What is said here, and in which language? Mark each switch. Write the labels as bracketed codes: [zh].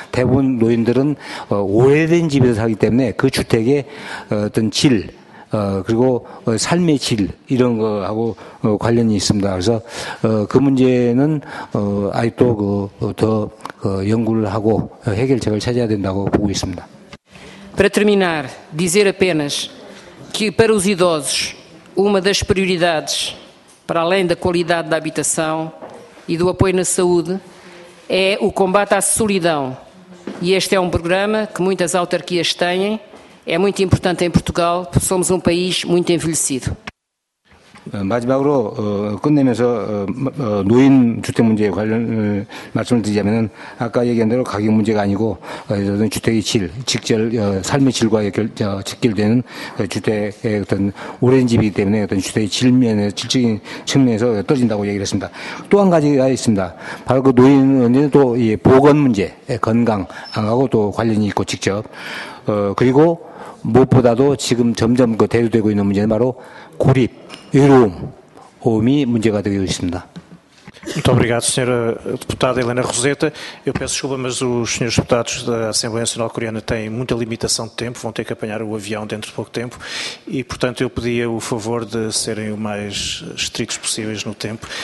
[ko] 대부분 노인들은 오래된 집에서 살기 때문에 그 주택의 어떤 질 그리고 삶의 질 이런 거하고 관련이 있습니다. 그래서 그 문제는 아직도 더 연구를 하고 해결책을 찾아야 된다고 보고 있습니다. [pt] Para terminar, dizer apenas que para os idosos uma das prioridades para além da qualidade da habitação e do apoio na saúde, é o combate à solidão. E este é um programa que muitas autarquias têm. É muito importante em Portugal, porque somos um país muito envelhecido. [ko] 마지막으로 끝내면서 노인 주택 문제 관련 말씀을 드리자면은 아까 얘기한 대로 가격 문제가 아니고 주택의 질, 직결 삶의 질과 직결되는 주택의 어떤 오랜 집이기 때문에 어떤 주택의 질적인 측면에서 떨어진다고 얘기를 했습니다. 또 한 가지가 있습니다. 바로 그 노인의 또 이 보건 문제, 건강하고 또 관련이 있고 직접 그리고 무엇보다도 지금 점점 그 대두되고 있는 문제는 바로 고립. 외로움이 문제가 되고 있습니다. [pt] Muito obrigado, Sra. Deputada Helena Roseta. Eu peço desculpa, mas os senhores deputados da Assembleia Nacional Coreana têm muita limitação de tempo, vão ter que apanhar o avião dentro de pouco tempo e, portanto, eu pedia o favor de serem o mais estritos possíveis no tempo.